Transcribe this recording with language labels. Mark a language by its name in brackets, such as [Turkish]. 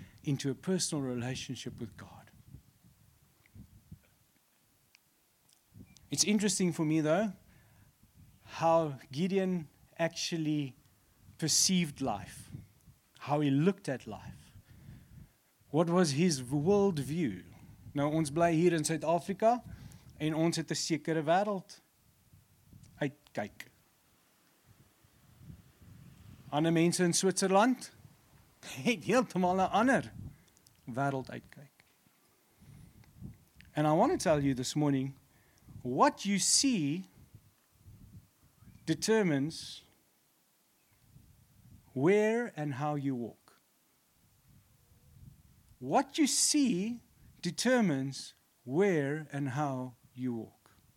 [English] into a personal relationship with God. It's interesting for me, though, how Gideon actually perceived life, how he looked at life. What was his world view? [Afrikaans] Nou, ons bly hier in Suid-Afrika en ons het 'n sekere wêreld uitkyk. Ander mense in Switserland het heeltemal 'n ander wêreld uitkyk. [English] And I want to tell you this morning, what you see determines where and how you walk. What you see determines where and how you walk.